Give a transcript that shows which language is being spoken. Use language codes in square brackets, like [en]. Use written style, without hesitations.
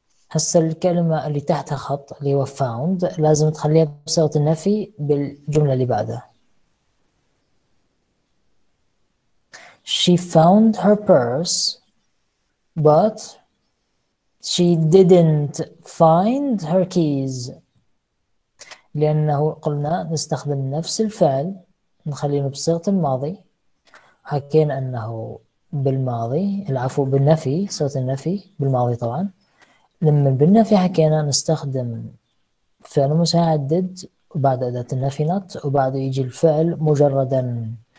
[ar] هسه الكلمة اللي تحتها خط اللي هو found لازم تخليها بصيغة النفي بالجملة اللي بعدها. [en] She found her purse, but she didn't find her keys. [ar] لأنه قلنا نستخدم نفس الفعل نخليه بصيغة الماضي. حكينا أنه بالماضي، العفو بالنفي، صيغة النفي بالماضي طبعا. لما بالنفي حكينا نستخدم فعل مساعد did وبعد أداة النفي not وبعده يجي الفعل مجردا.